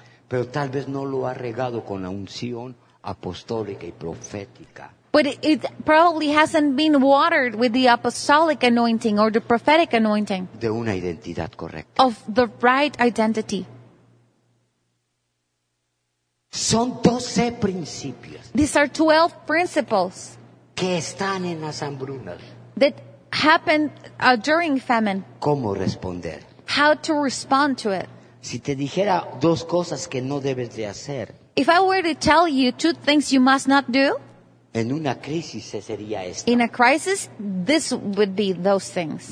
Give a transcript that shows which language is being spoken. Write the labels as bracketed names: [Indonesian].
[Spanish] Pero tal vez no lo ha regado con la unción apostólica y profética. [English] But it probably hasn't been watered with the apostolic anointing or the prophetic anointing. [Spanish] De una identidad correcta. [English] Of the right identity. [Spanish] Son 12 principios. [English] These are 12 principles. [Spanish] Que están en las hambrunas. [English] That happened during famine. [Spanish] ¿Cómo responder? [English] How to respond to it. [Spanish] Si te dijera dos cosas que no debes de hacer. [English] If I were to tell you two things you must not do. [Spanish] En una crisis sería esta. [English] In a crisis, this would be those things.